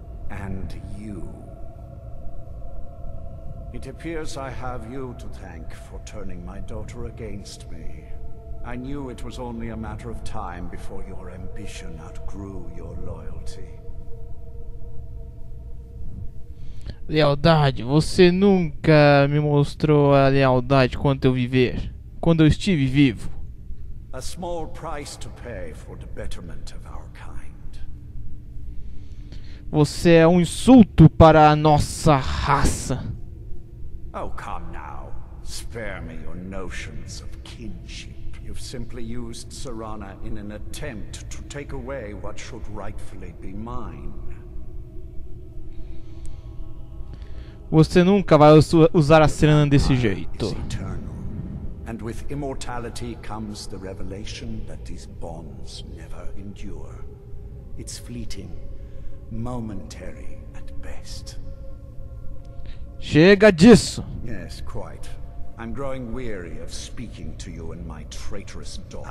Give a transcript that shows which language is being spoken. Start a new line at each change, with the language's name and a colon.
English: And you. It appears I have you to thank for turning my daughter against me. I knew it was only a matter of time before your ambition outgrew your loyalty.
Portuguese: Lealdade, você nunca me mostrou a lealdade quando eu viver, quando eu estive vivo.
English: A small price to pay for the betterment of our kind.
Portuguese: Você é um insulto para a nossa raça.
English: Oh, come now. Spare me your notions of kinship. You've simply used Serana in an attempt to take away what should rightfully be mine.
Portuguese: Você nunca vai usar a Serana desse jeito.
English: And with immortality comes the revelation that these bonds never endure. It's fleeting, momentary at best.
Portuguese: Chega disso!
English: Yes, quite. I'm growing weary of speaking to you and my traitorous daughter.